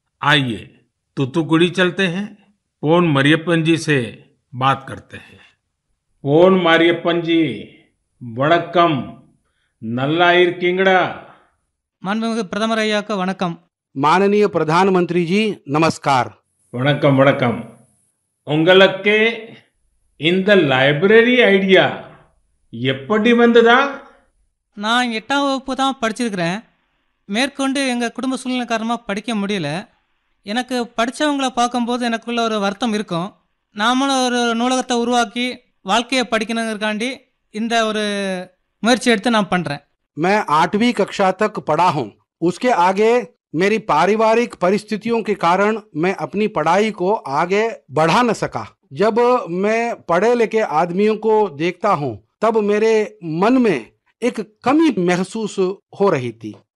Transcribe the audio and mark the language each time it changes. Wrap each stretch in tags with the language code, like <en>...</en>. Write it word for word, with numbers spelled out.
<hi>आइए तूतुकुड़ी चलते हैं, पोन मारियप्पन जी से बात करते हैं।</hi> <ta>पोन मारियप्पन जी, வணக்கம், நல்லா இருக்கீங்களா? மாண்புமிகு பிரதமர் ஐயாக்கு வணக்கம்.</ta> <hi>माननीय प्रधानमंत्री जी नमस्कार।</hi> <ta>வணக்கம் வணக்கம். உங்களுக்கு இந்த லைப்ரரி ஐடியா எப்படி வந்ததா? நான் எட்டாம் வகுப்பு தான் படிச்சிருக்கிறேன். மேற்கொண்டு எங்கள் குடும்ப சூழ்நிலை காரணமாக படிக்க முடியல. எனக்கு படித்தவங்களை பார்க்கும்போது எனக்குள்ள ஒரு வருத்தம் இருக்கும். நாமளும் ஒரு நூலகத்தை உருவாக்கி வாழ்க்கையை படிக்கணுங்கிறக்காண்டி இந்த ஒரு முயற்சி எடுத்து நான் பண்ணுறேன்.</ta> <hi>मैं आठवीं कक्षा तक पढ़ा हूँ। उसके आगे मेरी पारिवारिक परिस्थितियों के कारण मैं अपनी पढ़ाई को आगे बढ़ा न सका। जब मैं पढ़े लिखे आदमियों को देखता हूँ तब मेरे मन में एक कमी महसूस हो रही थी।</hi>